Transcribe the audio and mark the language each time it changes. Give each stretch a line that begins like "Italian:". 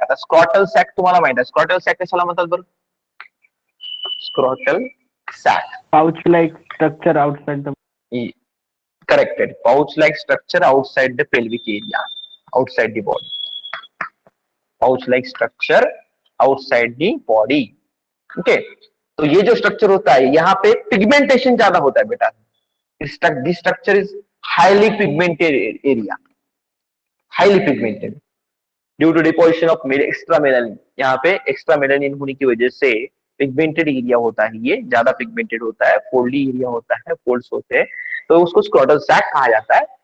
Marathi: आता scrotal sac तुम्हाला माहित आहे, scrotal sac कशाला म्हणतात बरं?
English: scrotal sac pouch like structure outside the corrected pouch like structure outside the pelvic area outside the body, pouch like structure outside the body.
Hindi: Okay, तो ये जो स्ट्रक्चर होता है यहाँ पे पिगमेंटेशन ज्यादा होता है बेटा.
English: This structure is highly pigmented area, highly pigmented due to deposition of extra melanin.
Hindi: यहाँ पे एक्स्ट्रा मेलानिन होने की वजह से पिगमेंटेड एरिया होता है, ये ज्यादा पिगमेंटेड होता है, फोल्डी एरिया होता है, फोल्ड्स होते हैं, तो उसको स्क्रोटल सैक कहा जाता है.